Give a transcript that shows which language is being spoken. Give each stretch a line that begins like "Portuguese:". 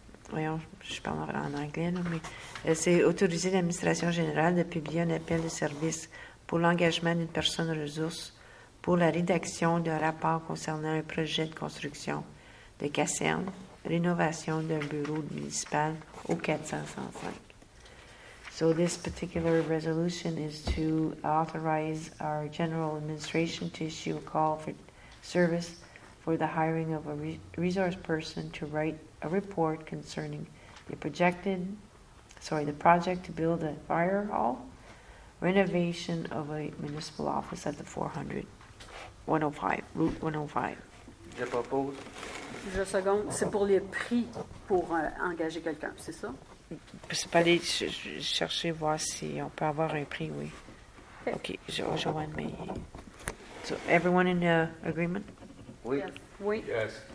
French: Voyons, je parle en anglais, non, mais c'est autoriser l'administration générale de publier un appel de service pour l'engagement d'une personne ressource pour la rédaction d'un rapport concernant un projet de construction de caserne, rénovation d'un bureau municipal au 405.
English: So this particular resolution is to authorize our general administration to issue a call for service for the hiring of a resource person to write a report concerning the project to build a fire hall, renovation of a municipal office at the 400, 105, Route 105.
French: Je propose. Je seconde. C'est pour les prix pour engager quelqu'un, c'est ça? C'est pas aller chercher, voir si on peut avoir un prix, oui.
English: OK, Joanne, mais... So, everyone in agreement?
French: Oui.
English: Yes.
French: Oui.
English: Yes.